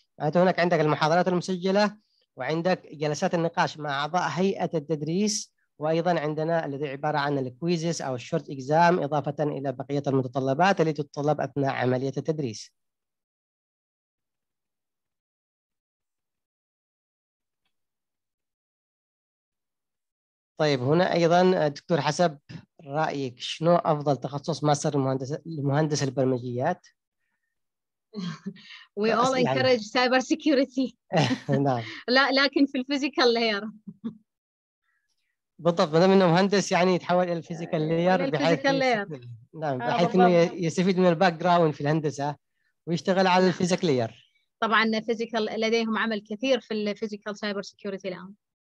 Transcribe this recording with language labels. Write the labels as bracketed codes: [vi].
[ar] معناته هناك عندك المحاضرات المسجلة وعندك جلسات النقاش مع أعضاء هيئة التدريس، وأيضا عندنا الذي عبارة عن الكويزز أو الشورت إكزام إضافة إلى بقية المتطلبات التي تتطلب أثناء عملية التدريس. طيب هنا أيضا دكتور، حسب رأيك شنو أفضل تخصص ماستر المهندس البرمجيات؟ [en] We all encourage cyber security. [ar] نعم. لا لكن في الفيزيكال لاير. بالضبط، بدل إنه مهندس يعني يتحول إلى الفيزيكال لاير بحيث نعم بحيث إنه يستفيد من الباك جراوند في الهندسة ويشتغل على الفيزيكال لاير. طبعا الفيزيكال لديهم عمل كثير في الفيزيكال سايبر سيكيورتي الآن.